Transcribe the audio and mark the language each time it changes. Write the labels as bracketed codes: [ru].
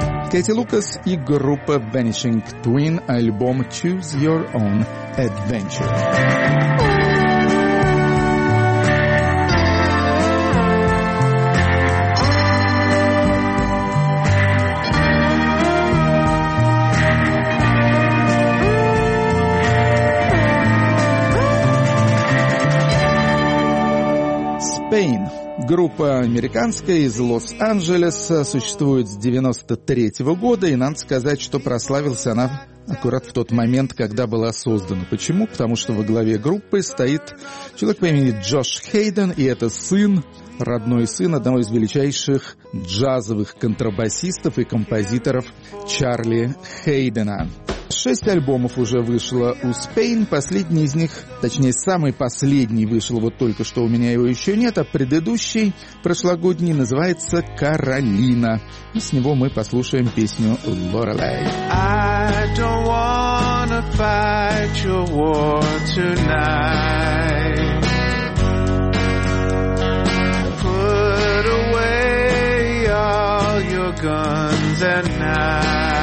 [ru] Кэти Лукас и группа Vanishing Twin, альбом Choose Your Own Adventure. Spain. Группа американская из Лос-Анджелеса, существует с 93-го года, и надо сказать, что прославилась она аккурат в тот момент, когда была создана. Почему? Потому что во главе группы стоит человек по имени Джош Хейден, и это сын, родной сын одного из величайших джазовых контрабасистов и композиторов Чарли Хейдена. 6 альбомов уже вышло у Spain, последний из них, точнее, самый последний вышел вот только что, у меня его еще нет, а предыдущий, прошлогодний, называется «Каролина». И с него мы послушаем песню «Lorelei». [en] I don't wanna fight your war tonight. Put away all your guns and I